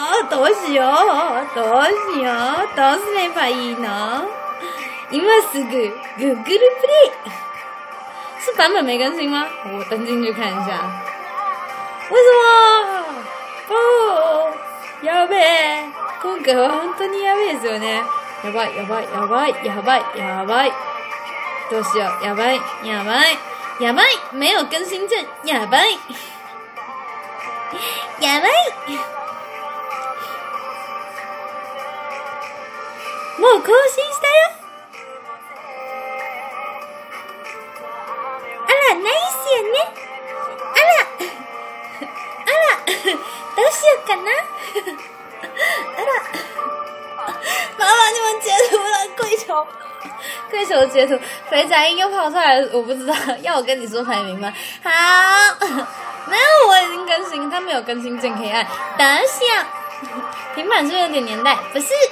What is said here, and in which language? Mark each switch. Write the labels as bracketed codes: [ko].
[ja] どうしよう、どうしよう、どうすればいいの？今すぐ Google Play。 [zh] 是版本没更新吗？我登进去看一下。为什么？ [ja] 不，やべえ。今回は本当にやべえですよね。やばい、やばい、やばい、やばい、やばい。どうしよう、やばい、やばい、やばい。 [zh] 没有更新键、やばい。 [ja] やばい。もう更新したよ。あら、ないっすよね。あら、あら、どうしようかな。 [zh] あら、麻烦你们截图了，跪求，跪求截图。肥宅音又跑出来了，我不知道，要我跟你说排名吗？好。没有，我已经更新，他没有更新键可以按。等一下，平板是有点年代，不是。